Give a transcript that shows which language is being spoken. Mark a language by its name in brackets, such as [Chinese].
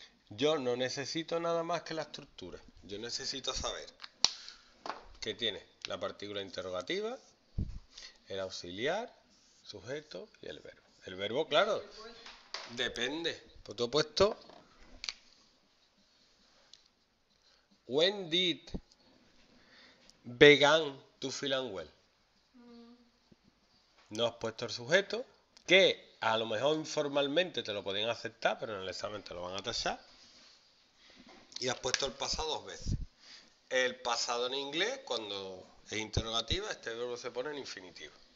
[Spanish] Yo no necesito nada más que la estructura. Yo necesito saber qué tiene la partícula interrogativa, el auxiliar, sujeto y el verbo. El verbo, claro, depende. Por tu puesto, [English] when did began to feel unwell? [Spanish] No has puesto el sujeto, que a lo mejor informalmente te lo pueden aceptar, pero en el examen te lo van a tachar. Y has puesto el pasado dos veces. El pasado en inglés, cuando es interrogativa, este verbo se pone en infinitivo.